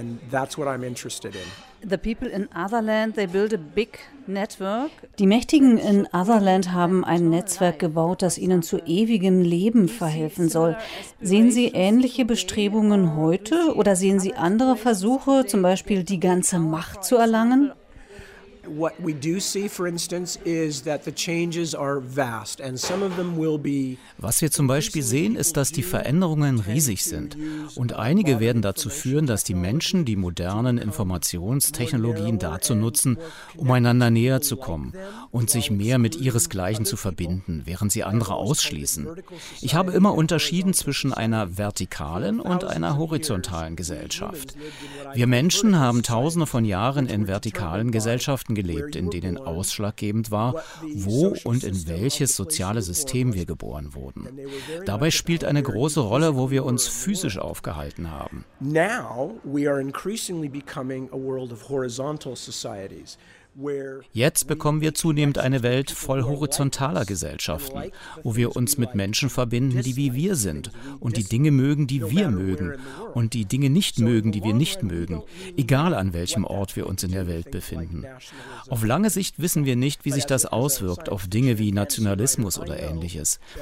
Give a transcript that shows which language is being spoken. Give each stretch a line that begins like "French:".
English: The people in Otherland, they build a big network.
German: Die Mächtigen in Otherland haben ein Netzwerk gebaut, das ihnen zu ewigem Leben verhelfen soll. Sehen Sie ähnliche Bestrebungen heute oder sehen Sie andere Versuche, zum Beispiel die ganze Macht zu erlangen?
English: What we do see, for instance, is that the changes are vast, and some of them will be.
German: Was wir zum Beispiel sehen, ist, dass die Veränderungen riesig sind, und einige werden dazu führen, dass die Menschen die modernen Informationstechnologien dazu nutzen, um einander näher zu kommen und sich mehr mit ihresgleichen zu verbinden, während sie andere ausschließen. Ich habe immer unterschieden zwischen einer vertikalen und einer horizontalen Gesellschaft. Wir Menschen haben Tausende von Jahren in vertikalen Gesellschaften gelebt, in denen ausschlaggebend war, wo und in welches soziale System wir geboren wurden. Dabei spielt eine große Rolle, wo wir uns physisch aufgehalten haben.
English: Now we are increasingly becoming a world of horizontal societies.
German: Jetzt bekommen wir zunehmend eine Welt voll horizontaler Gesellschaften, wo wir uns mit Menschen verbinden, die wie wir sind und die Dinge mögen, die wir mögen und die Dinge nicht mögen, die wir nicht mögen, egal an welchem Ort wir uns in der Welt befinden. Auf lange Sicht wissen wir nicht, wie sich das auswirkt auf Dinge wie Nationalismus oder Ähnliches.